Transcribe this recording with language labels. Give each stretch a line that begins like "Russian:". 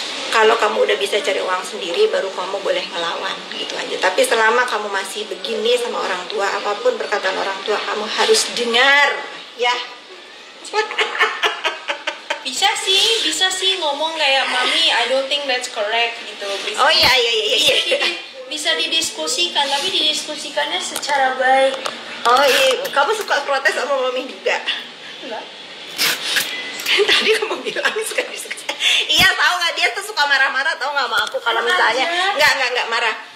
Indonesian: Kalau kamu udah bisa cari uang sendiri, baru kamu boleh ngelawan, gitu aja. Tapi selama kamu masih begini sama orang tua, apapun perkataan orang tua, kamu harus dengar, ya. Bisa sih ngomong kayak, Mami,
English: I don't think that's correct,
Indonesian: gitu. Bisa, oh iya. Bisa didiskusikan, tapi didiskusikannya secara baik. Oh iya, kamu suka protes sama Mami juga? Enggak. Tadi kamu bilang suka disuka. Iya, tahu nggak, dia tuh suka marah-marah, tahu nggak sama aku kalau misalnya nggak marah.